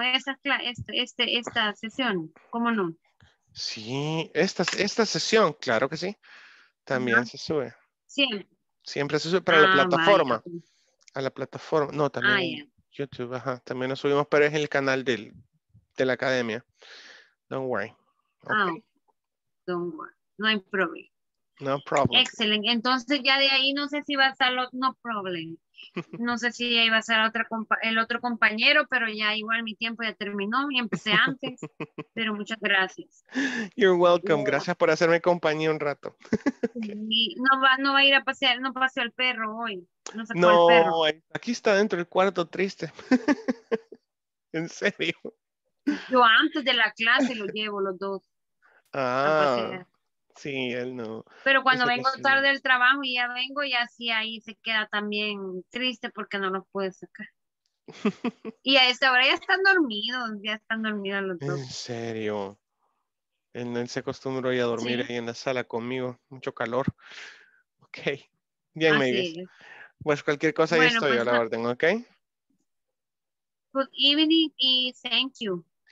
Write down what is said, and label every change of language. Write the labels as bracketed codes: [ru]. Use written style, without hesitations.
[es] Esta sesión, ¿cómo no? Sí, esta sesión, claro que sí. También se sube. Siempre. Siempre se sube para la plataforma. Vaya. A la plataforma, no, también YouTube, ajá, también nos subimos, pero es el canal de la academia. [en] Don't worry. Okay. Oh, don't worry, [es] no hay [en] problem. No problem. [es] Excellent, entonces ya de ahí no sé si va a estar, [en] no problem, [es] no sé si ahí va a estar el otro compañero, pero ya igual mi tiempo ya terminó, y empecé antes, pero muchas gracias. [en] You're welcome, yeah. [es] Gracias por hacerme compañía un rato. [en] Okay. [es] Y no va a ir a pasear, no paseó el perro hoy. No, aquí está dentro del cuarto triste. En serio. Yo antes de la clase lo llevo los dos. Ah, sí, él no. Pero cuando eso vengo tarde del trabajo y ya vengo, y así ahí se queda también triste porque no los puede sacar. Y a esta hora ya están dormidos los dos. En serio. Él se acostumbró ya a dormir, sí, ahí en la sala conmigo. Mucho calor. Ok. Bien, así Mavis. Es. Pues cualquier cosa, bueno, ya estoy, pues, a la orden, ¿ok? [en] Good evening y thank you.